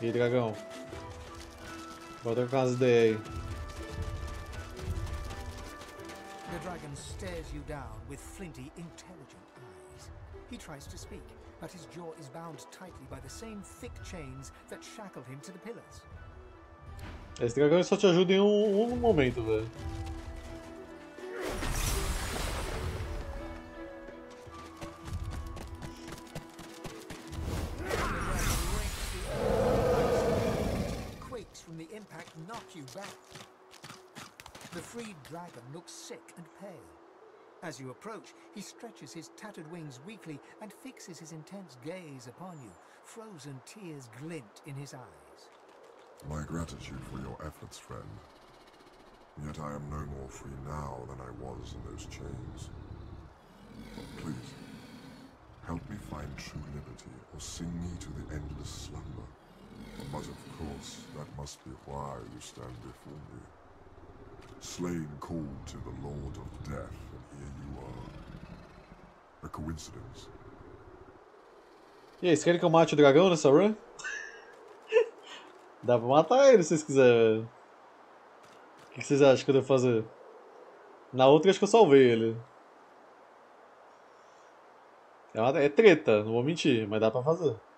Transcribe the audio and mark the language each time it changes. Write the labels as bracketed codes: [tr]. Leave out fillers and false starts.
[pt] E aí, dragão? Bota com as ideias aí. [en] The dragon stares you down with flinty, intelligent eyes. He tries to speak, but his jaw is bound tightly by the same thick chains that shackle him to the pillars. [pt] Esse dragão só te ajuda em um momento, velho. [en] Quakes from the impact knock you back. The freed dragon looks sick and pale. As you approach, he stretches his tattered wings weakly and fixes his intense gaze upon you. Frozen tears glint in his eyes. My gratitude for your efforts, friend. Yet I am no more free now than I was in those chains. Please, help me find true liberty or sing me to the endless slumber. But of course, that must be why you stand before me. Slain called to the Lord of Death, and here you are. A coincidence. [pt] E aí, querem que eu mate o dragão nessa run? Dá pra matar ele se vocês quiserem. O que vocês acham que eu devo fazer? Na outra acho que eu salvei ele. É treta, não vou mentir, mas dá pra fazer.